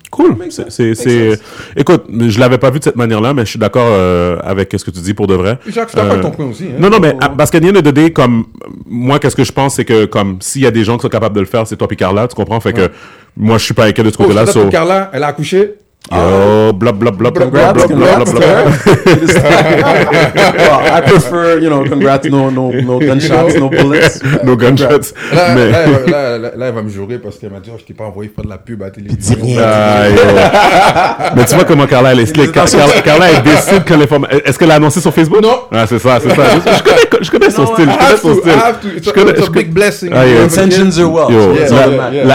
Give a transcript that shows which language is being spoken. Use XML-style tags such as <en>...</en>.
<fr>Cool. C'est... Écoute, je ne l'avais pas vu de cette manière-là, mais je suis d'accord avec ce que tu dis pour de vrai. Jacques, je suis d'accord avec ton point aussi. Hein, non, non, mais parce qu'à Nien de D, comme moi, qu'est-ce que je pense, c'est que comme s'il y a des gens qui sont capables de le faire, c'est toi et Carla, tu comprends? Fait que moi, je ne suis pas avec elle de ce côté-là. Oh, sauf... Carla, elle a accouché. Oh, blah blah blah.</fr> <en>I prefer, you know, congrats, no gunshots, no bullets. No gunshots.</en> <fr>Mais... Là, elle va me jurer parce qu'elle m'a dit, oh, je t'ai pas envoyé pour de la pub à télévision. Dis rien. Mais tu vois comment Carla, elle est. Carla, elle décide quand les formes. Est-ce qu'elle a annoncé sur Facebook? Non. Ah, c'est ça, c'est ça. Je connais son style.</fr> <en>Big blessing. Your intentions are well.</en>